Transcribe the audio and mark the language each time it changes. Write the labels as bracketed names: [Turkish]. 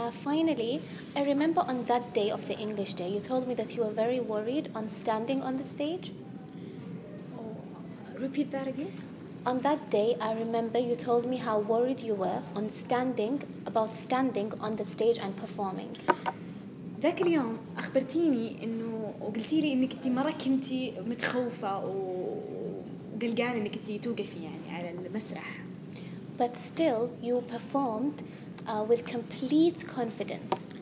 [English] Finally, I remember on that day of the English day, you told me that you were very worried on standing on the stage. Oh, repeat that again. On that day, I remember you told me how worried you were on standing, about standing on the stage and performing. [Arabic] ذاك اليوم أخبرتيني إنه وقلتي لي إنك أنت مرة كنتي متخوفة وقلقانة إنك أنت توقفي يعني على المسرح. [English] But still, you performed with complete confidence.